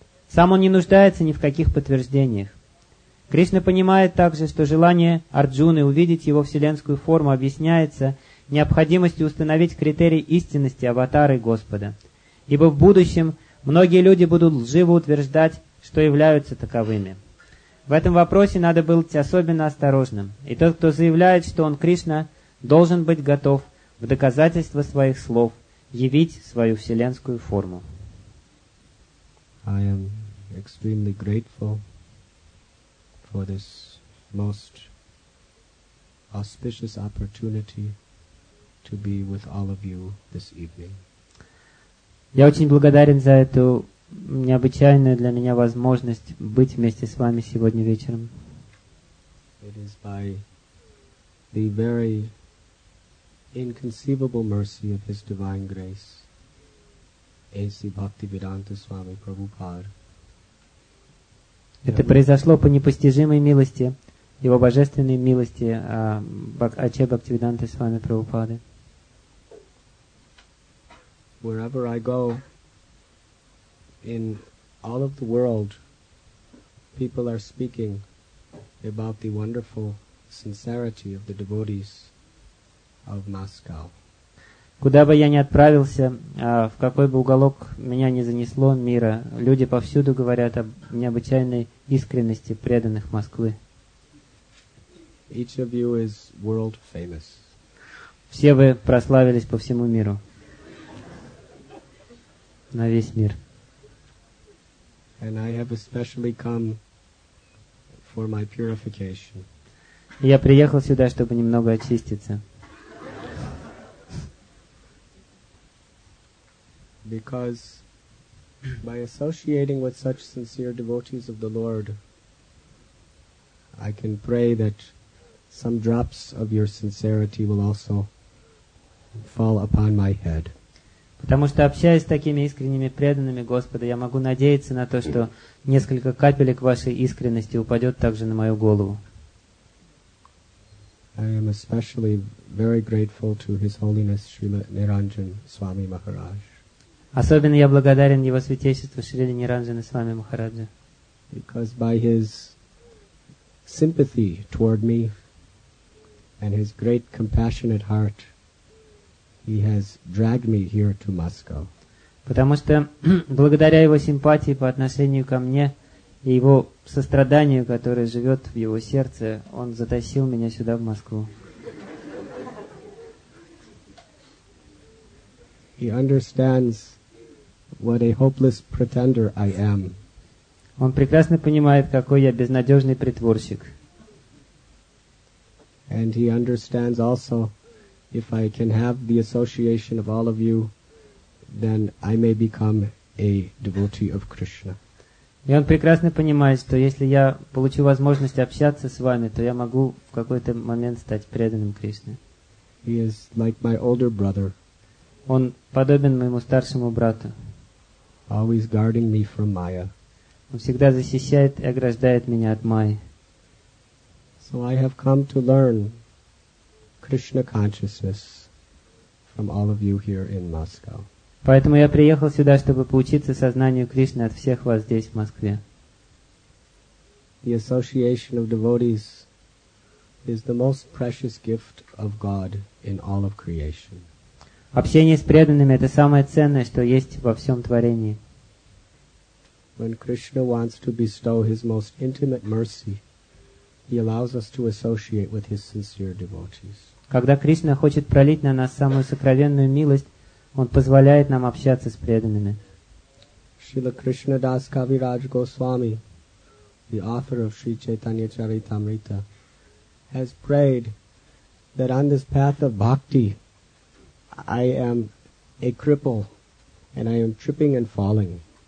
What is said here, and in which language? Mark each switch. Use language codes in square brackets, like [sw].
[ru] Сам он не нуждается ни в каких подтверждениях. Кришна понимает также, что желание Арджуны увидеть его вселенскую форму объясняется необходимостью установить критерий истинности аватары Господа, ибо в будущем многие люди будут лживо утверждать, что являются таковыми. В этом вопросе надо быть особенно осторожным, и тот, кто заявляет, что он Кришна, должен быть готов в доказательство своих слов явить свою вселенскую форму. [en] I am extremely grateful for this most auspicious opportunity to be with all of you this evening. [ru] Я очень благодарен за эту необычайную для меня возможность быть вместе с вами сегодня вечером. [en] It is by the very inconceivable mercy of His divine grace, A.C. Bhaktivedanta Swami Prabhupada. [ru] Это произошло по непостижимой милости, Его божественной милости, Ача Бхактивиданты Свами Прабхупады. [en] Wherever I go in all of the world, people are speaking about the wonderful sincerity of the devotees of Moscow. [ru] Куда бы я ни отправился, в какой бы уголок меня ни занесло мира, люди повсюду говорят об необычайной искренности преданных Москвы. [en] Each of you is world famous. [ru] Все вы прославились по всему миру. На весь мир. [en] And I have especially come for my purification. [ru] Я приехал сюда, чтобы немного очиститься. [en] Because by associating with such sincere devotees of the Lord, I can pray that some drops of your sincerity will also fall upon my head. [ru] Потому что общаясь с такими искренними преданными Господа, я могу надеяться на то, что несколько капелек вашей искренности упадет также на мою голову. [en] I am especially very grateful to His Holiness Srila Niranjan Swami Maharaj. [ru] Особенно я благодарен Его Святейшеству Шриле Ниранджана Свами Махараджа. [en] Because by His sympathy toward me and His great compassionate heart, He has dragged me here to Moscow. [ru] Потому что благодаря Его симпатии по отношению ко мне И его сострадание, которое живет в его сердце, он затащил меня сюда, в Москву. [en] He understands what a hopeless pretender I am. [ru] Он прекрасно понимает, какой я безнадежный притворщик. [en] And he understands also, if I can have the association of all of you, then I may become a devotee of Krishna. [ru] И он прекрасно понимает, что если я получу возможность общаться с вами, то я могу в какой-то момент стать преданным Кришне. [en] He is like my older brother. [ru] Он подобен моему старшему брату. [en] Always guarding me from Maya. [ru] Он всегда защищает и ограждает меня от Майи. [en] So I have come to learn Krishna consciousness from all of you here in Moscow. [ru] Поэтому я приехал сюда, чтобы поучиться сознанию Кришны от всех вас здесь, в Москве. [en] The association of devotees is the most precious gift of God in all of creation. [ru] Общение с преданными — это самое ценное, что есть во всем творении. [en] When Krishna wants to bestow his most intimate mercy, he allows us to associate with his sincere devotees. [ru] Когда Кришна хочет пролить на нас самую сокровенную милость, Он позволяет нам общаться с преданными. [en] Шрила Кришна Дас Кавирадж Госвами, the author of Sri Chaitanya Charitamrita, has prayed that on this path of bhakti, I am a cripple and I am tripping and falling.